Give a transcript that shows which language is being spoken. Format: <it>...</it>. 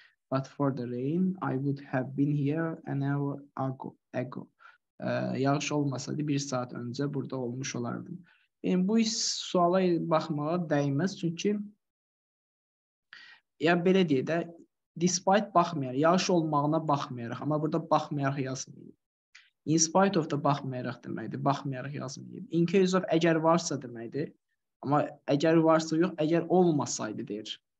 <en>But for the rain, I would have been here an hour ago.</en> <az>Yağış olmasaydı bir saat öncə burada olmuş olardım. Yəni, bu suala baxmağa dəyməz. Çünki ya belə deyə də, despite baxmayaraq, yağış olmağına baxmayaraq, amma burada baxmayaraq yazmayıb.</az> <en>In spite of</en> <az>da baxmayaraq deməkdir, baxmayaraq yazmayıb.</az> <en>In case of</en> <az>əgər varsa deməkdir, amma əgər varsa yox, əgər olmasaydı deyir.</az>